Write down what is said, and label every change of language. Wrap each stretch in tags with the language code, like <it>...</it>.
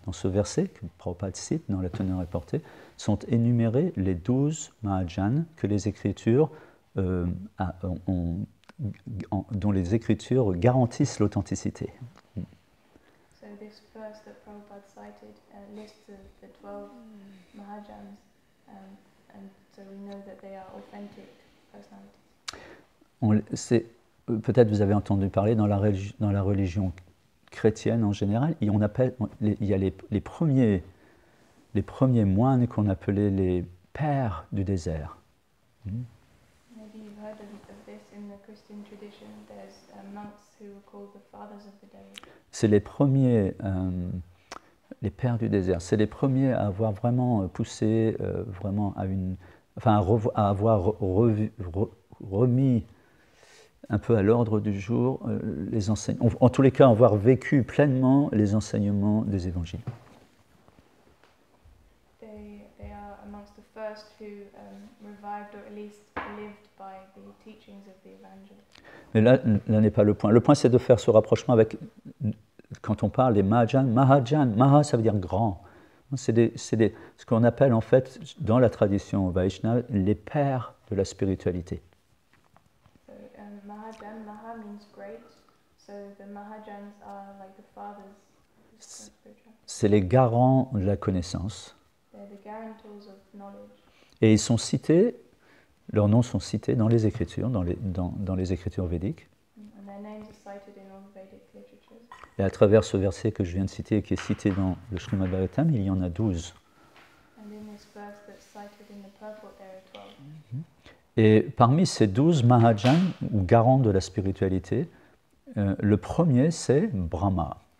<fr>Dans ce verset que Prabhupada cite dans la teneur reportée, sont énumérés les 12 Mahajanas que les Écritures dont les Écritures garantissent l'authenticité.</fr> <en>So this verse that Prabhupada cited lists the 12 Mahajanas, and so we know that they are authentic personalities.</en> <fr>Peut-être vous avez entendu parler dans la religion chrétienne en général, il y a les premiers moines qu'on appelait les pères du désert.</fr> <en>Maybe you've heard of this in the Christian tradition. There's monks who are called the fathers of the desert.</en> <fr>C'est les premiers, les pères du désert. C'est les premiers à avoir vraiment poussé, vraiment à avoir remis un peu à l'ordre du jour, les enseignements, en tous les cas, avoir vécu pleinement les enseignements des évangiles.</fr> <en>They are amongst the first who revived or at least lived by the teachings of the evangelists.</en> <fr>Mais là n'est pas le point. Le point, c'est de faire ce rapprochement avec, quand on parle des Mahajan, Mahajan, Maha, ça veut dire grand. C'est ce qu'on appelle, en fait, dans la tradition Vaishnava, les pères de la spiritualité.</fr> <en>Mahajan, Maha means great, so the Mahajans are like the fathers.</en> <fr>C'est les garants de la connaissance.</fr> <en>They're the guarantors of knowledge.</en> <fr>Et ils sont cités, leurs noms sont cités dans les Écritures, dans les Écritures védiques.</fr> <en>And their names are cited in all Vedic literatures.</en> <fr>Et à travers ce verset que je viens de citer et qui est cité dans le Srimad Bhagavatam, il y en a 12.</fr> <en>And in this verse that's cited in the purport, there are 12.</en> <fr>Et parmi ces 12 Mahajans, ou garants de la spiritualité, le premier, c'est Brahma.</fr>